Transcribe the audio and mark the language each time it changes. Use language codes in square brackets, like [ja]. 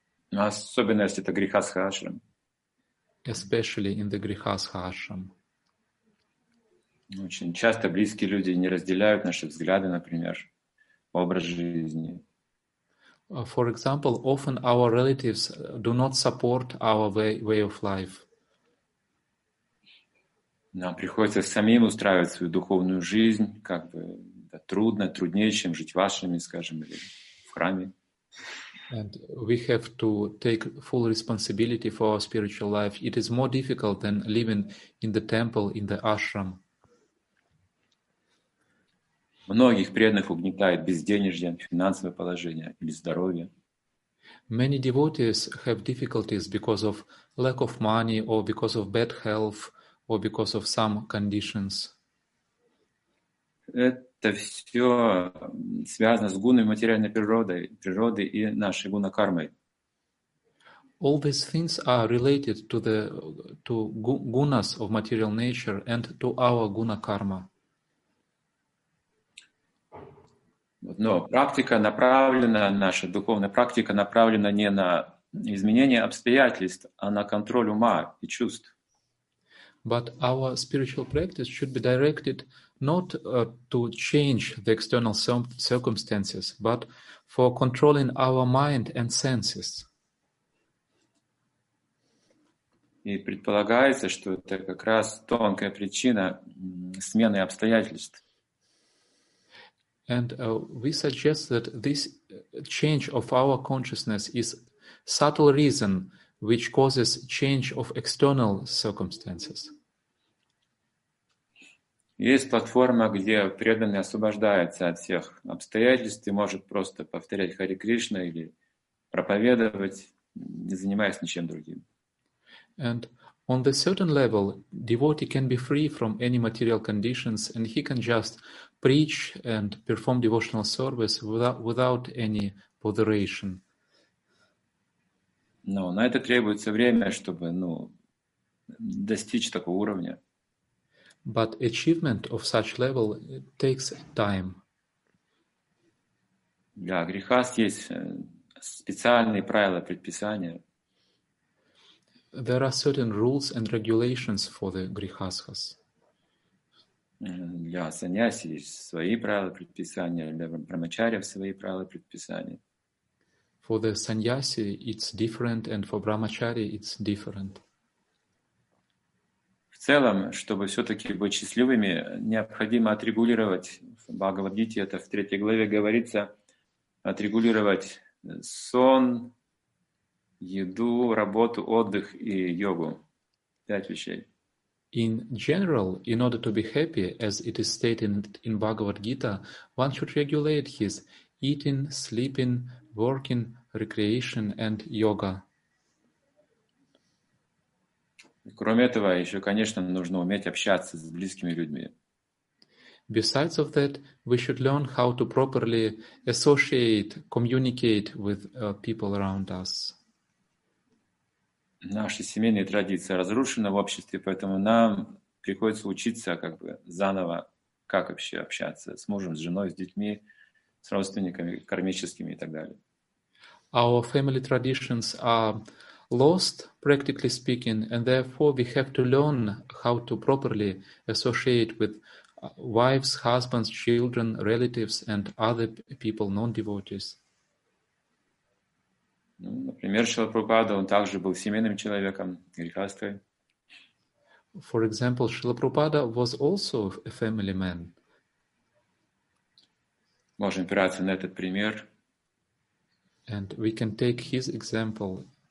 [ru] Особенно если это грихастха ашрам. [en] Especially in the грихастха ашрам. [ru] Очень часто близкие люди не разделяют наши взгляды, например, образ жизни. [en] For example, often our relatives do not support our way of life. [ru] Нам приходится самим устраивать свою духовную жизнь, как бы да, трудно, труднее, чем жить в ашраме, скажем, или в храме. [en] And we have to take full responsibility for our spiritual life. It is more difficult than living in the temple, in the ashram. [ru] Многих преданных угнетает безденежье, финансовое положение или здоровье. [en] Many devotees have difficulties because of lack of money or because of bad health. Or because of some conditions. [ru] Это все связано с гуной материальной природы и нашей гуна кармой. [en] All these things are related to the gunas of material nature and to our guna karma. [ru] Но практика направлена, наша духовная практика направлена не на изменение обстоятельств, а на контроль ума и чувств. [en] But our spiritual practice should be directed not to change the external circumstances, but for controlling our mind and senses. [ru] И предполагается, что это как раз тонкая причина смены обстоятельств. [en] And we suggest that this change of our consciousness is subtle reason which causes change of external circumstances. [ru] Есть платформа, где преданный освобождается от всех обстоятельств и может просто повторять Харе Кришна или проповедовать, не занимаясь ничем другим. [en] And on the certain level, devotee can be free from any material conditions and he can just preach and perform devotional service without any botheration. [ru] Но это требуется время, чтобы достичь такого уровня. [en] But achievement of such level takes time. [ru] Для грихаст есть специальные правила предписания. [en] There are certain rules and regulations for the грихастхас. [ru] Для саньяси есть свои правила предписания, для брахмачарьев свои правила предписания. [en] For the sannyasi it's different and for brahmachari it's different. [ru] В целом, чтобы все-таки быть счастливыми, необходимо отрегулировать, в Бхагавад-гите это в третьей главе говорится, отрегулировать сон, еду, работу, отдых и йогу. Пять вещей. [en] In general, in order to be happy, as it is stated in Bhagavad Gita, one should regulate his eating, sleeping, working, recreation and yoga. [ru] Кроме этого, еще, конечно, нужно уметь общаться с близкими людьми. [en] Besides of that, we should learn how to properly associate, communicate with people around us. [ru] Наши семейные традиции разрушены в обществе, поэтому нам приходится учиться как бы заново, как вообще общаться с мужем, с женой, с детьми, с родственниками, кармическими и так далее. [en] Our family traditions are lost, practically speaking, and therefore we have to learn how to properly associate with wives, husbands, children, relatives, and other people, non-devotees. [ru] Например, Шрила Прабхупада, он также был семейным человеком, грихастхой. [en] For example, Шрила Прабхупада was also a family man. [ru] Можем опираться на этот пример. And we can take his example.